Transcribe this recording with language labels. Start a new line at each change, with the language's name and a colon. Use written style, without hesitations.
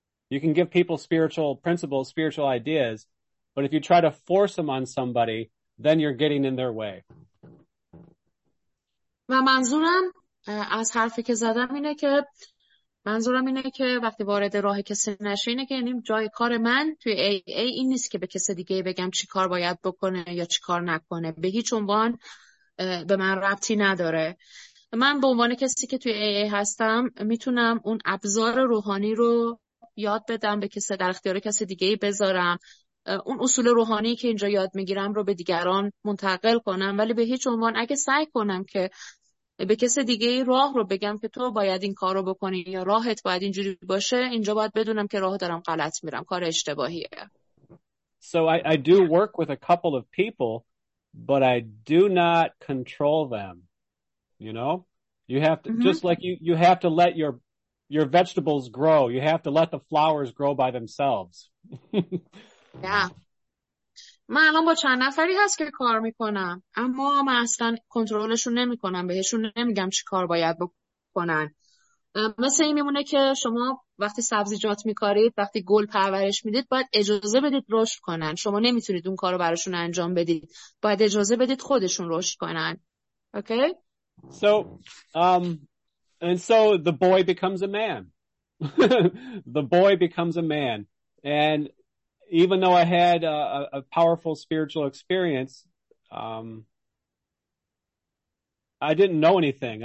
English: You can give people spiritual principles, spiritual ideas, but if you try to force them on somebody, then you're getting in their way.
Persian: و منظورم از حرفی که زدم اینه که منظورم اینه که وقتی وارد راه کسی نشه اینه که یعنی جای کار من توی AA این نیست که به کسی دیگه بگم چی کار باید بکنه یا چی کار نکنه. به هیچ عنوان به من ربطی نداره. من به عنوان کسی که توی AA هستم میتونم اون ابزار روحانی رو یاد بدم به کسی، در اختیار کسی دیگه بذارم، اون اصول روحانی که اینجا یاد میگیرم رو به دیگران منتقل کنم، ولی به هیچ عنوان اگه سعی کنم که به کسی دیگه راه رو بگم که تو باید این کار رو بکنی یا راهت باید اینجوری باشه، اینجا باید بدونم که راه دارم غلط میرم، کار اشتباهیه.
English: So I do work with a couple of people, but I do not control them. You know, you have to, just like you have to let your vegetables grow. You have to let the flowers grow by themselves. Yeah.
Persian: من الان با چند نفری هست که کار میکنم، اما من اصلا کنترلشون نمیکنم، بهشون نمیگم چی کار باید بکنن. مثل این میمونه که شما وقتی سبزیجات میکارید، وقتی گل پرورش میدید، باید اجازه بدید رشد کنن. شما نمیتونید اون کارو براشون انجام بدید، باید اجازه بدید خودشون رشد کنن.
English: Okay. So, and so the boy becomes a man. The boy becomes a man. And even though I had a powerful spiritual experience, I didn't know anything.